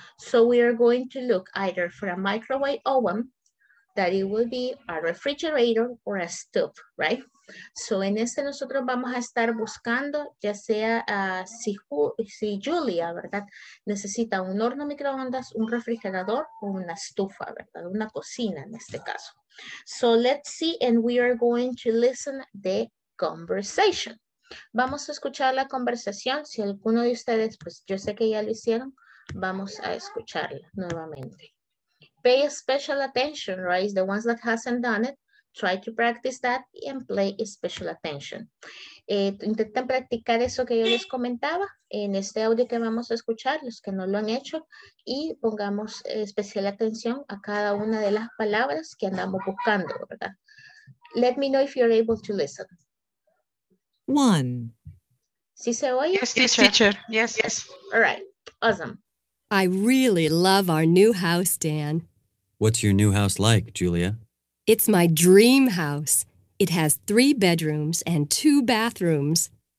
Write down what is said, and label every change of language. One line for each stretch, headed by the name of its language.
English: So we are going to look either for a microwave oven, that it will be a refrigerator or a stove, right?
Spanish: So en este nosotros vamos a estar buscando ya sea si Julia, ¿verdad? Necesita un horno microondas, un refrigerador o una estufa, ¿verdad? Una cocina en este caso.
English: So let's see and we are going to listen the conversation.
Spanish: Vamos a escuchar la conversación. Si alguno de ustedes, pues yo sé que ya lo hicieron, vamos a escucharla nuevamente.
English: Pay special attention, right? The ones that hasn't done it, try to practice that and play special attention.
Spanish: Intenten practicar eso que yo les comentaba en este audio que vamos a escuchar, los que no lo han hecho, y pongamos especial atención a cada una de las palabras que andamos buscando, ¿verdad?
English: Let me know if you're able to listen. One.
Spanish: ¿Sí se oye?
English: Yes, teacher. Yes, yes. All right. Awesome. I really love our new house, Dan. What's your new house like, Julia? It's my dream house. It has 3 bedrooms and 2 bathrooms.